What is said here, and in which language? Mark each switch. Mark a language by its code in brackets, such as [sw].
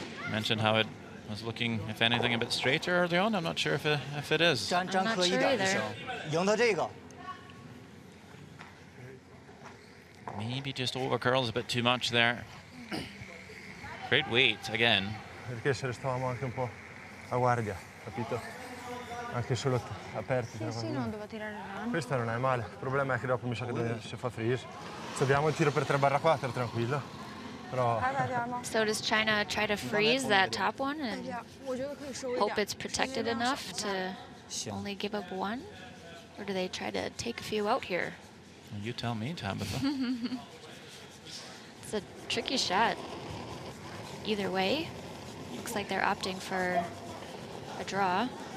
[en] Mentioned how it was looking, if anything, a bit straighter early on. I'm not sure if it is. I'm not sure either. Maybe just over curls a bit too much there. Great weight again. [it] Perché se restavamo anche un po' a guardia, capito? Anche solo aperti. Sì, non doveva tirare. Questa non è male. Il problema è che dopo mi sa che si fa freeze. Abbiamo il tiro per 3/4, tranquillo. [en] So does China try to freeze that top one and hope it's protected enough to only give up one? Or do they try to take a few out here? Well, you tell me, Tabitha. It's a tricky shot. Either way, looks like they're opting for a draw.